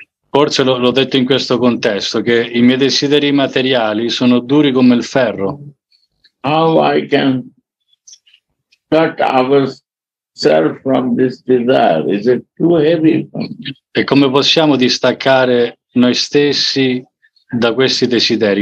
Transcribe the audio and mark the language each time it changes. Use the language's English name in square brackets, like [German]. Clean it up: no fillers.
[Italian] Forse l'ho detto in questo contesto che i miei desideri materiali sono duri come il ferro. [English] How I can cut ours self from this desire? Is it too heavy? [Italian] E come possiamo distaccare noi stessi da questi desideri?